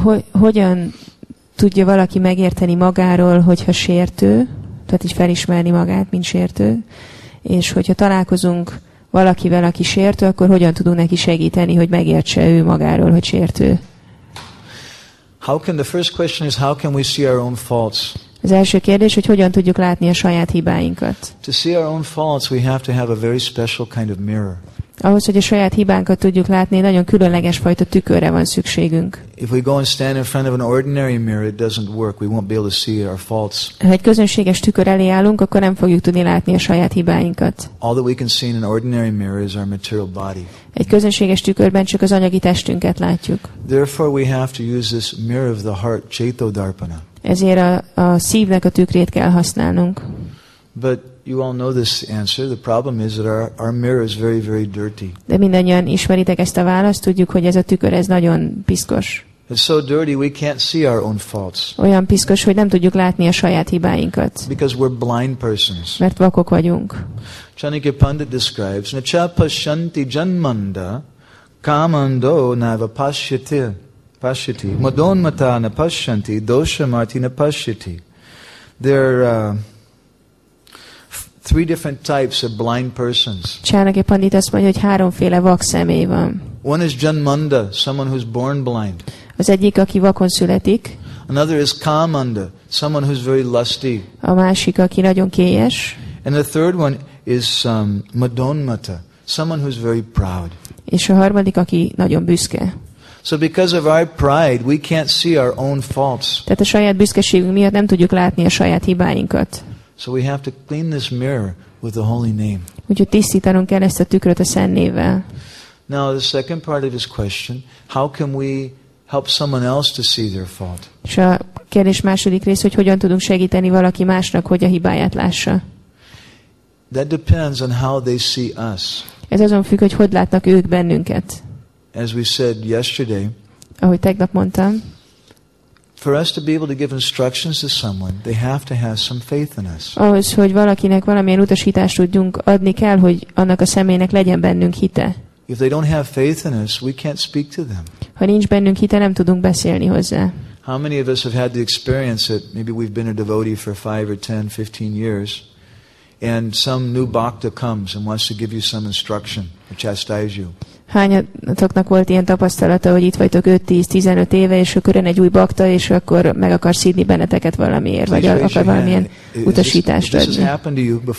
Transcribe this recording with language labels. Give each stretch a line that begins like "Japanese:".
Hungarian: Hogyan tudja valaki megérteni magáról, hogyha sértő, tehát így felismerni magát, mint sértő, és hogyha találkozunk valakivel, aki sértő, akkor hogyan tudunk neki segíteni, hogy megértse ő magáról, hogy sértő?
English: How can the first question is how can we see our own faults?
Hungarian: Az első kérdés, hogy hogyan tudjuk látni a saját hibáinkat.
English: To see our own faults, we have to have a very special kind of mirror.
Hungarian: Ahhoz, hogy a saját hibánkat tudjuk látni, nagyon különleges fajta tükörre van szükségünk.
English: If we go and stand in front of an ordinary mirror, it doesn't work. We won't be able to see our faults.
Hungarian: Ha egy közönséges tükör elé állunk, akkor nem fogjuk tudni látni a saját hibáinkat.
English: All that we can see in an ordinary mirror is our material body.
Hungarian: Egy közönséges tükörben csak az anyagi testünket látjuk.
English: Therefore, we have to use this mirror of the heart, Chaito Darpana.
Hungarian: Ezért a szívnek a tükrét kell használnunk.
English: But you all know this answer. The problem is that our mirror is very, very dirty.
Hungarian: De mindannyian ismeritek ezt a választ, tudjuk, hogy ez a tükör, ez nagyon piszkos.
English: It's so dirty we can't see our own faults.
Hungarian: Olyan piszkos, hogy nem tudjuk látni a saját hibáinkat.
English: Because we're blind persons.
Hungarian: Mert vakok vagyunk.
Sanskrit: Chanakya Pandit
English: describes,
Sanskrit: Nacha pashyanti janmanda kamando naiva pashyati. Pashyati. Madonmata na pashyanti doshamarti na pashyati.
English: They're three different types of blind persons.
Hungarian: Chanakya Pandit azt mondja, hogy háromféle vak személy van.
English: One is Janmanda, someone who's born blind.
Hungarian: Az egyik, aki vakon születik.
English: Another is Kamanda, someone who's very lusty.
Hungarian: A másik, aki nagyon kélyes.
English: And the third one is Madonmata, someone who's very proud.
Hungarian: És a harmadik, aki nagyon büszke.
English: So because of our pride, we can't see our own faults.
Hungarian: Tehát a saját büszkeségünk miatt nem tudjuk látni a saját hibáinkat.
English: So we have to clean this mirror with the holy name.
Hungarian: Úgyhogy tisztítanunk kell ezt a tükröt a szent névvel.
English: Now the second part of his question, how can we help someone else to see their fault?
Hungarian: És a kérdés második rész, hogy hogyan tudunk segíteni valaki másnak, hogy a hibáját lássa.
English: That depends on how they see us.
Hungarian: Ez azon függ, hogy hogy látnak ők bennünket.
English: As we said yesterday.
Hungarian: Ahogy tegnap mondtam.
English: For us to be able to give instructions to someone, they have to have some faith in us.
Hungarian: Ahhoz, hogy valakinek valamilyen utasítást tudjunk adni, kell, hogy annak a személynek legyen bennünk hite.
English: If they don't have faith in us, we can't speak to them.
Hungarian: Ha nincs bennünk hite, nem tudunk beszélni hozzá.
English: How many of us have had the experience that maybe we've been a devotee for 5 or 10, 15 years and some new bhakta comes and wants to give you some instruction or chastise you?
Hungarian: Hányatoknak volt ilyen tapasztalata, hogy itt vagytok 5-10-15 éve, és akkor jön egy új bakta, és akkor meg akar szídni benneteket valamiért, vagy akar valamilyen utasítást adni.